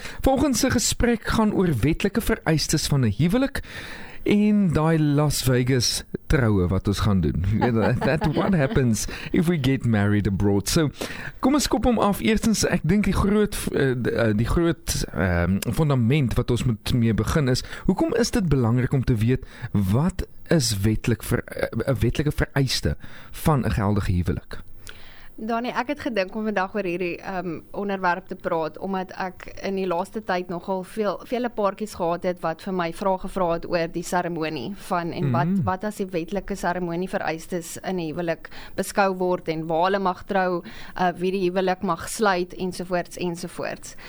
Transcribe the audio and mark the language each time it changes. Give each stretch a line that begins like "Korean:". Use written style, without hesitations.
Afrikaans: Volgens een gesprek gaan oor wetlike vereistes van 'n huwelik en die Las Vegas trouwe wat ons gaan doen.
English: That what happens if we get married abroad.
Afrikaans: So, kom ons kop hom af. Eerstens, ek dink die groot fundament wat ons moet mee begin is, hoekom is dit belangrik om te weet wat is wetlike vereiste van 'n geldige huwelik? Dani, ek het gedink om vandag oor hierdie onderwerp te praat, omdat ek in die laaste tyd nogal vele paartjies gehad het wat vir my vrae gevra het oor die seremonie van en wat as die wetlike seremonie vereistes in die huwelik beskou word en waar hulle mag trou, wie die huwelik mag sluit ensovoorts ensovoorts.